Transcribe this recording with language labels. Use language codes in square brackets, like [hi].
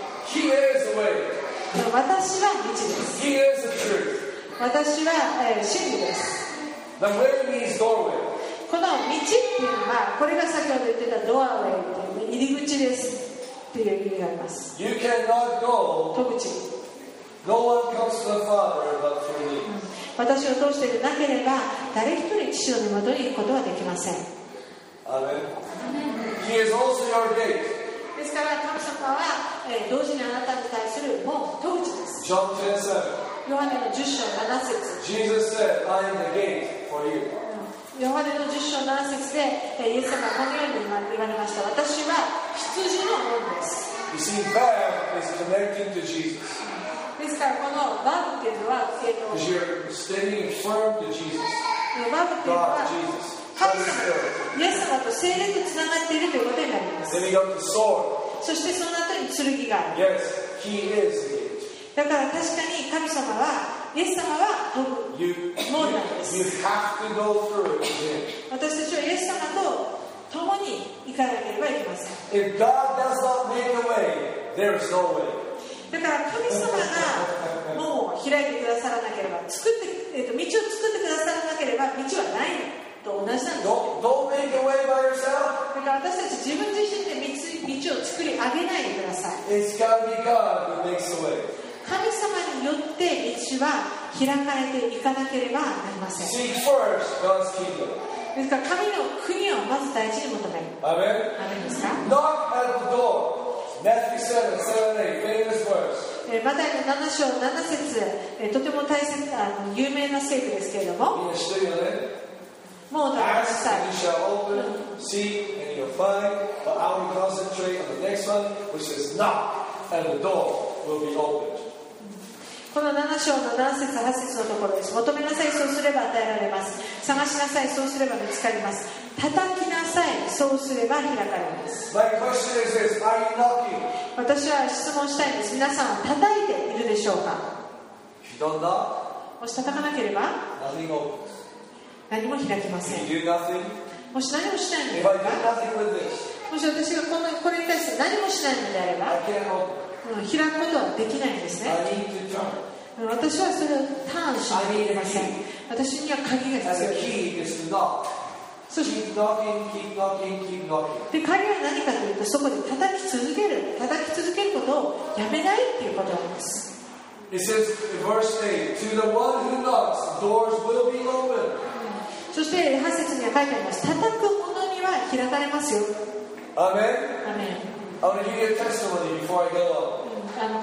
[en] He is the way. [ja] 私は道です。 [en] He is the truth. [ja] 私は、真理です。 [en] The way means doorway. [ja] この道っていうのはこれが先ほど言ってたドアウェイっていう入り口ですっていう意味があります [en] You cannot go [ja] 戸口 [en] No one comes to the Father but through me [ja] 私を通していなければ誰一人父の元に行くことはできません [en] アメン He is also your gate [ja] ですから神様は同時にあなたに対する門戸口です [en] John 10:7 [ja] ヨハネの10章7節 [en] Jesus said I am the gate for you [ja] ヨハネの10章7節でイエス様はこのように言われました私は羊の門です [en] You see, Bab is connecting to Jesus. [ja] ですからこのバブっていうのは [en] Because you're standing firm to Jesus. [ja] バブっていうのは神様イエス様と聖霊とつながっているということになります [en] Then he got the sword. [ja] そしてその後に剣がある [en] Yes, he is [ja] だから確かに神様はイエス様は門なんです [en] you [ja] 私たちはイエス様と共に行かなければいけません [en] If God does not make a way, there is no way. [ja] だから神様が門を開いてくださらなければ作って、道を作ってくださらなければ道はないと同じなんです [en] don't make a way by yourself. [ja] だから私たち自分自身で 道を作り上げないでください [en] It's gotta be God who makes a way. [ja] 神様によって道は開かれていかなければなりません。 [en] Seek first God's kingdom. [ja] ですから神の国をまず大事に求める。アメン。アメンですか [en] Knock at the door. Matthew 7:7-8, famous verse. [ja] マタイの7章7節、とても大切な有名な聖句ですけれども。みんな知ってるよね。もうだめです。 [en] Ask and you shall open, seek and you'll find, but I will concentrate on the next one, which is knock at the door. [ja] この7章の7節8節のところです求めなさいそうすれば与えられます探しなさいそうすれば見つかります叩きなさいそうすれば開かれます [en] My question is this, are you knocking? [ja] 私は質問したいです皆さんは叩いているでしょうか [en] If you don't knock, [ja] もし叩かなければ [en] nothing opens. [ja] 何も開きません [en] If you do nothing, [ja] もし何もしないのであれば [en] If I do nothing with this, [ja] もし私がこれに対して何もしないのであれば I can't open. 開くことはできないんですね私はそれをターンしないといけません私には鍵が必要そして鍵は何かというとそこで叩き続けることをやめないということなんです [en] It says in verse 8 To the one who knocks doors will be open [ja] そして8節には書いてあります叩く者には開かれますよアメン、アメン [en] I'm going to give you a testimony before I go on.